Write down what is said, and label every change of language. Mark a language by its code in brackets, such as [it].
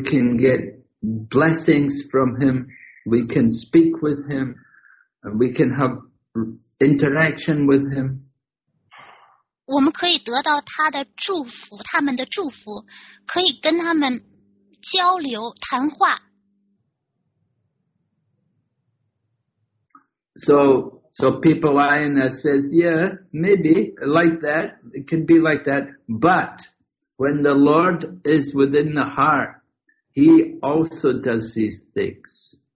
[en] can get blessings from Him, we can speak with Him, and we can have interaction with Him. [zh] 我们可以得到他的祝福，他们的祝福，可以跟他们交流谈话。 [en] So people eye and says, yeah, maybe, like that, it can be like that. But when the Lord is within the heart, He also does these things.